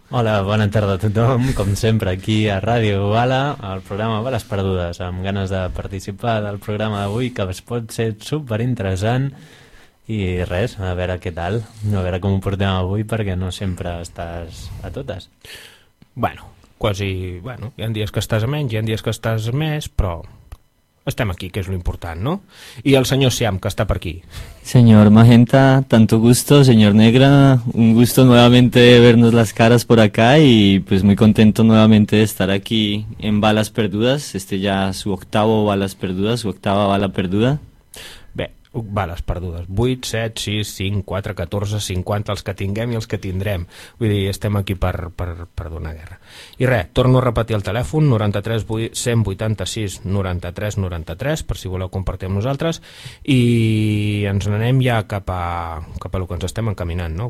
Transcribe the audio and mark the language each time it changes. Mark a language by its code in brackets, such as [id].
[ca] Hola, bona tarda a tothom, com sempre aquí a Ràdio Bala, el programa Bales Perdudes, amb ganes de participar del programa d'avui, que es pot ser superinteressant. I res, a veure què tal, a veure com ho portem avui, perquè no sempre estàs a totes. Bueno, quasi, bueno, hi ha dies que estàs a menys, hi ha dies que estàs més, però estem aquí, que és l'important, no? I el senyor Siam, que està per aquí. [es] Señor Magenta, tanto gusto, señor Negra, un gusto nuevamente vernos las caras por acá y pues muy contento nuevamente de estar aquí en Balas Perdudas, este ya su octavo Balas Perdudas, su octava Bala Perduda. [ca] Bales perdudes, 8, 7, 6, 5, 4, 14, 50, els que tinguem i els que tindrem. Vull dir, estem aquí per donar guerra. I res, torno a repetir el telèfon, 93 186 93 93, per si voleu compartir amb nosaltres, i ens n'anem ja cap a el que ens estem encaminant, no?